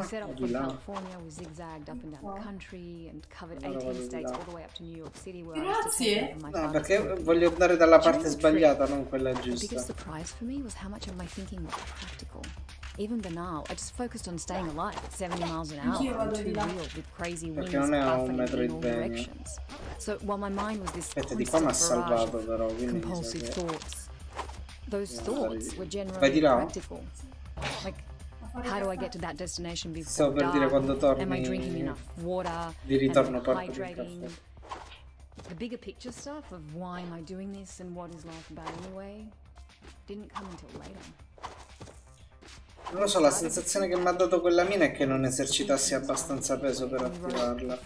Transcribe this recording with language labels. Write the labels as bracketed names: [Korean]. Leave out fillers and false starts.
[English] We set up from California, we zigzagged up and down the country and covered 18 states all the way up to New York City. Where [Italian] grazie. No, perché voglio andare dalla parte sbagliata, non quella giusta. [English] The biggest surprise for me was how much of my thinking was practical. Even banal, I just focused on staying alive at 70 miles an hour, too real with crazy winds puffing in all directions. So while my mind was this constant barrage of compulsive thoughts, those thoughts were generally practical. Like, how do I get to that destination before dark? Am I drinking enough water? Hydrating? The bigger picture stuff of why am I doing this and what is life about anyway didn't come until later. [Italian] Non lo so, la sensazione che mi ha dato quella mina è che non esercitassi abbastanza peso per attivarla.